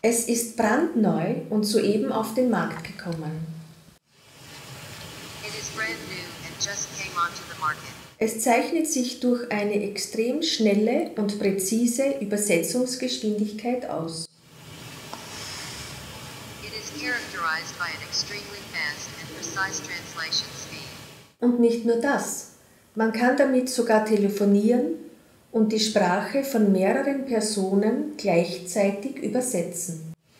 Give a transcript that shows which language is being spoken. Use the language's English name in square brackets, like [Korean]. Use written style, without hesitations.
[German] Es ist brandneu und soeben auf den Markt gekommen. [English] It is brand new and just came onto the market. [German] Es zeichnet sich durch eine extrem schnelle und präzise Übersetzungsgeschwindigkeit aus. [English] It is characterized by an extremely fast and precise translation speed. [German] Und nicht nur das. Man kann damit sogar telefonieren und die Sprache von mehreren Personen gleichzeitig übersetzen.